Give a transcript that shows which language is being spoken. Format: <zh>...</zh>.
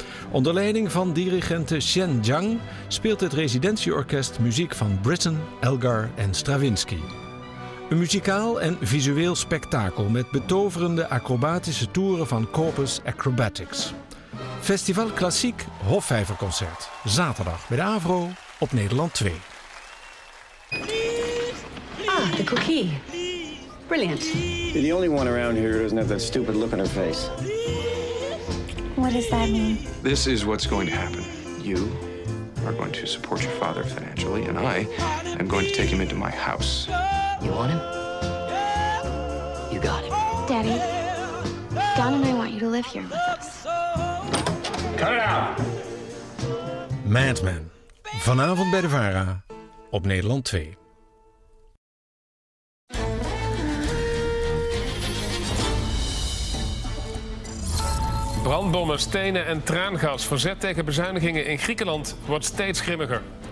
<nl>Onder leiding van dirigente Shen Jiang speelt het residentieorkest muziek van Britten, Elgar en Stravinsky. Een muzikaal en visueel spektakel met betoverende acrobatische toeren van Corpus Acrobatics. Festival Klassiek, Hofvijverconcert, zaterdag bij de AVRO op Nederland 2.</nl> <en>Ah, de cookie. Brilliant. You're the only one around here who doesn't have that stupid look on her face. What does that mean? This is what's going to happen. You are going to support your father financially, and I am going to take him into my house. You want him? You got him. Daddy, Don and I want you to live here with us. Cut it out! Madman.</en> <nl>Vanavond bij de VARA op Nederland 2. Brandbommen, stenen en traangas. Verzet tegen bezuinigingen in Griekenland wordt steeds grimmiger.</nl>